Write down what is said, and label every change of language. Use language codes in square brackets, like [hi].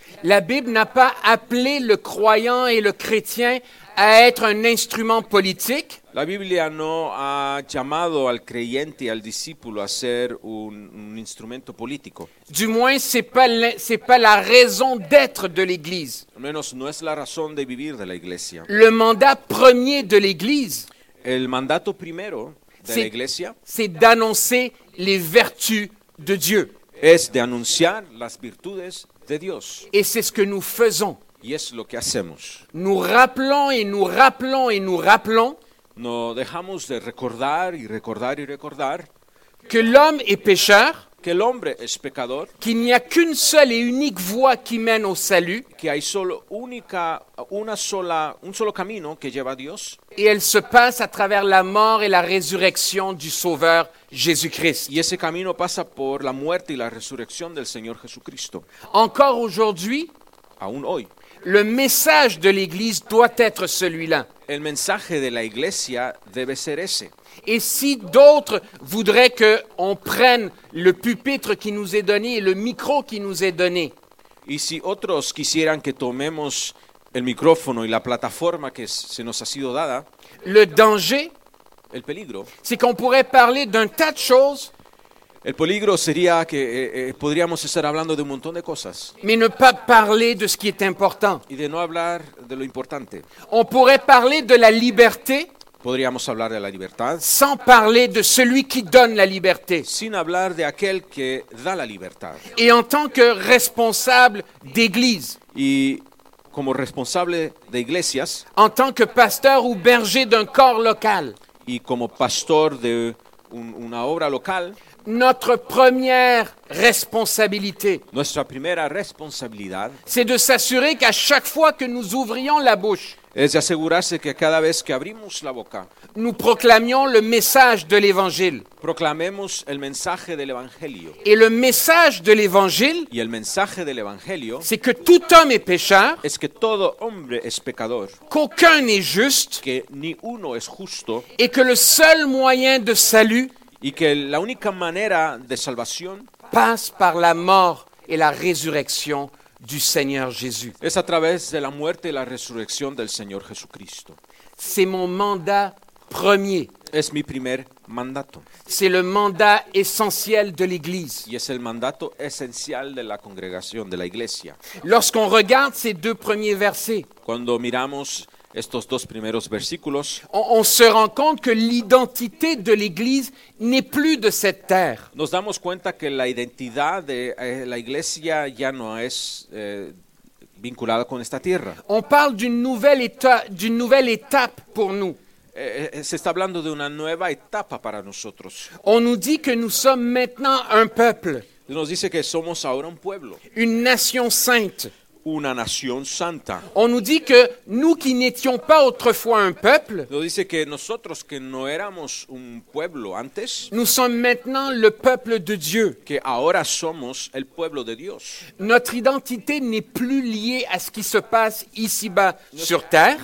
[fr] La Bible n'a pas appelé le croyant et le chrétien à être un instrument politique. [es] La Biblia no ha llamado al creyente y al discípulo a ser un instrumento político. [fr] Du moins, c'est pas la raison d'être de l'Église. [es] Al menos, no es la razón de vivir de la Iglesia. [fr] Le mandat premier de l'Église. [es] El mandato primero de la Iglesia. [fr] C'est d'annoncer les vertus de Dieu. [es] Es de anunciar las virtudes de Dios. [fr] Et c'est ce que nous faisons. [es] Y es lo que hacemos. [fr] Nous rappelons et nous rappelons et nous rappelons. [es] No dejamos de recordar y recordar y recordar. [fr] Que l'homme est pécheur. [es] Que el hombre es pecador. [fr] Qu'il n'y a qu'une seule et unique voie qui mène au salut. [es] Que hay solo un solo camino que lleva a Dios. [fr] Et elle se passe à travers la mort et la résurrection du Sauveur Jésus-Christ. [es] Y ese camino pasa por la muerte y la resurrección del Señor Jesucristo. [fr] Encore aujourd'hui, [es] aún hoy, [fr] le message de l'Église doit être celui-là. [es] El mensaje de la Iglesia debe ser ese. [fr] Et si d'autres voudraient que on prenne le pupitre qui nous est donné et le micro qui nous est donné. [es] Y si otros quisieran que tomemos el micrófono y la plataforma que se nos ha sido dada. [fr] Le danger, [es] el peligro, [fr] c'est qu'on pourrait parler d'un tas de choses. [es] El peligro sería que podríamos estar hablando de un montón de cosas. [fr] Mais ne pas parler de ce qui est important. [es] Y de no hablar de lo importante. [fr] On pourrait parler de la liberté. [es] Podríamos hablar de la libertad. [fr] Sans parler de celui qui donne la liberté. [es] Sin hablar de aquel que da la libertad. [fr] Et en tant que responsable d'église. [es] Y como responsable de iglesias. [fr] En tant que pasteur ou berger d'un corps local. [es] Y como pastor de una obra local. [fr] Notre première responsabilité. [es] Nuestra primera responsabilidad. [fr] C'est de s'assurer qu'à chaque fois que nous ouvrions la bouche. [es] Es asegurarse que cada vez que abrimos la boca. [fr] Nous proclamions le message de l'évangile. [es] Proclamemos el mensaje del evangelio. [fr] Et le message de l'évangile. [es] Y el mensaje del evangelio. [fr] C'est que tout homme est pécheur. [es] Es que todo hombre es pecador. [fr] Qu'aucun n'est juste. [es] Que ni uno es justo. [fr] Et que le seul moyen de salut. [es] Y que la única manera de salvación [fr] passe par la mort et la résurrection du Seigneur Jésus. [es] Es a través de la muerte y la resurrección del Señor Jesucristo. [fr] C'est mon mandat premier. [es] Es mi primer mandato. [fr] C'est le mandat essentiel de l'Église. [es] Y es el mandato esencial de la congregación, de la iglesia. [fr] Lorsqu'on regarde ces deux premiers versets, [es] cuando miramos estos dos primeros versículos, [fr] on se rend compte que l'identité de l'Église n'est plus de cette terre. [es] Nos damos cuenta que la identidad de la iglesia ya no es vinculada con esta tierra. [fr] On parle d'une nouvelle étape pour nous. [es] Se está hablando de una nueva etapa para nosotros. [fr] On nous dit que nous sommes maintenant un peuple. [es] Nos dice que somos ahora un pueblo. [fr] Une nation sainte. [es] Una nación santa. [fr] On nous dit que nous qui n'étions pas autrefois un peuple. [es] Nos dice que nosotros que no éramos un pueblo antes. [fr] Nous sommes maintenant le peuple de Dieu. [es] Que ahora somos el pueblo de Dios. [fr] Notre identité n'est plus liée à ce qui se passe ici-bas sur terre.